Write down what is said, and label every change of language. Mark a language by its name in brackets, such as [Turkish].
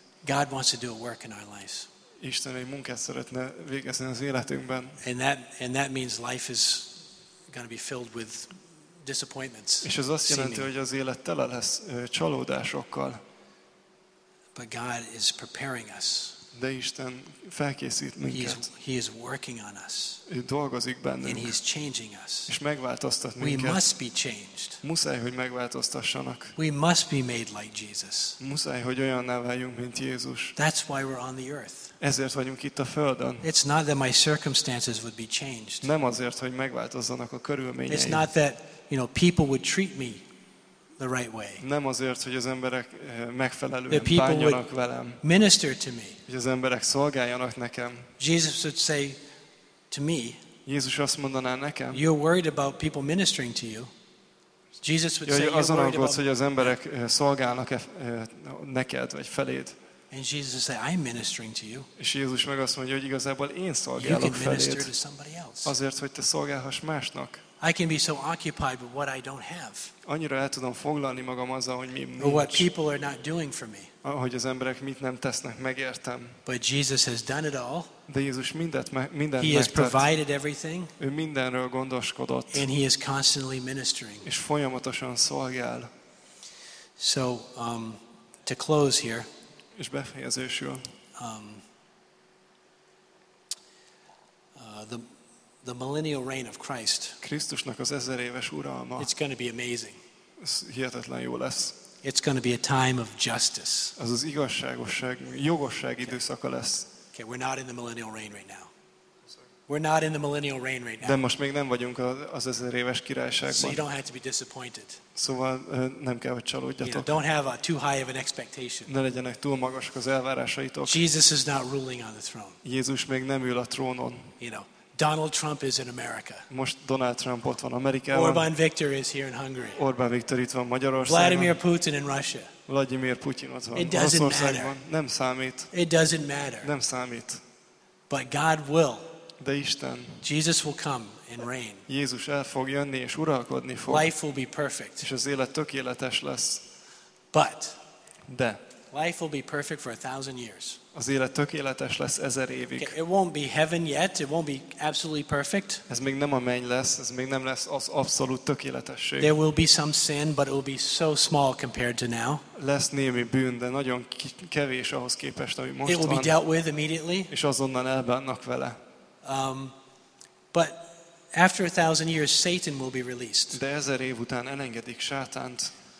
[English] God wants to do a work in our lives. [Hungarian] Isten egy munkát szeretne végezni az életünkben. [English] And that means life is going to be filled with disappointments. [Hungarian] És ez azt jelenti, hogy az élet tele lesz csalódásokkal. [English] But God is preparing us. [Hungarian] De Isten felkészít minket. [English] He is working on us. [Hungarian] Ő dolgozik bennünk. [English] And he is changing us. [Hungarian] És megváltoztat minket. [English] We must be changed. [Hungarian] Muszáj, hogy megváltoztassanak. [English] We must be made like Jesus. [Hungarian] Muszáj, hogy olyanná váljunk, mint Jézus. [English] That's why we're on the earth. [Hungarian] Ezért vagyunk itt a Földön. [English] It's not that my circumstances would be changed. [Hungarian] Nem azért, hogy megváltozzanak a körülményeim. [English] It's not that, you know, people would treat me the right way. [Hungarian] Nem azért, hogy az emberek megfelelően bánjanak velem. [English] Minister to me. [Hungarian] Hogy az emberek szolgáljanak nekem. [English] Jesus would say to me. [Hungarian] Jézus azt mondaná nekem. [English] You're worried about people ministering to you. Jesus would say, [Hungarian] azon aggódsz, hogy az emberek szolgálnak neked vagy feléd. [English] And Jesus would say, I'm ministering to you. [Hungarian] És Jézus meg azt mondja, hogy igazából én szolgálok feléd. [English] You can minister to somebody else. [Hungarian] Azért, hogy te szolgálhass másnak. [English] I can be so occupied with what I don't have. [Hungarian] Annyira el tudom foglalni magam azzal, hogy mi nincs. [English] What people are not doing for me. [Hungarian] Ahogy az emberek mit nem tesznek, megértem. [English] But Jesus has done it all. [Hungarian] De Jézus mindent [English] He [Hungarian] megtett. [English] Has provided everything. [Hungarian] Ő mindenről gondoskodott. [English] And he is constantly ministering. [Hungarian] És folyamatosan szolgál. [English] So, to close here. [Hungarian] És befejezésül. [English] The millennial reign of Christ. [Hungarian] Krisztusnak az ezer éves uralma. [English] It's going to be amazing. [Hungarian] Hihetetlen jó lesz. [English] It's going to be a time of justice. [Hungarian] Az az igazságosság, jogosság időszaka lesz. [English] Okay, we're not in the millennial reign right now. We're not in the millennial reign right now. [Hungarian] De most még nem vagyunk az ezer éves királyságban. [English] So you don't have to be disappointed. [Hungarian] Szóval nem kell, hogy csalódjatok. [English] You know, don't have a too high of an expectation. [Hungarian] Ne legyenek túl magasak az elvárásaitok. [English] Jesus is not ruling on the throne. [Hungarian] Jézus még nem ül a trónon. [English] You know, Donald Trump is in America. [Hungarian] Most Donald Trump ott van Amerikában. [English] Orbán Viktor is here in Hungary. [Hungarian] Orbán Viktor itt van Magyarországon. [English] Vladimir Putin in Russia. [Hungarian] Vladimir Putin ott van. [English] It doesn't matter. [Hungarian] Nem számít. [English] It doesn't matter. [Hungarian] Nem számít. [English] But God will. [Hungarian] De Isten. [English] Jesus will come and reign. [Hungarian] Jézus el fog jönni és uralkodni fog. [English] Life will be perfect. [Hungarian] És az élet tökéletes lesz. [English] But. [Hungarian] De. [English] Life will be perfect for 1,000 years. [Hungarian] Az élet tökéletes lesz 1,000 évig. [English] Okay, it won't be heaven yet. It won't be absolutely perfect. [Hungarian] Ez még nem a menny lesz. Ez még nem lesz az abszolút tökéletesség. [English] There will be some sin, but it will be so small compared to now. [Hungarian] Lesz némi bűn, de nagyon kevés ahhoz képest, ami most van. [English] It will be dealt with immediately. [Hungarian] És azonnal elbánnak vele. [English] But after 1,000 years, Satan will be released. [Hungarian] De 1,000 év után elengedik Sátánt.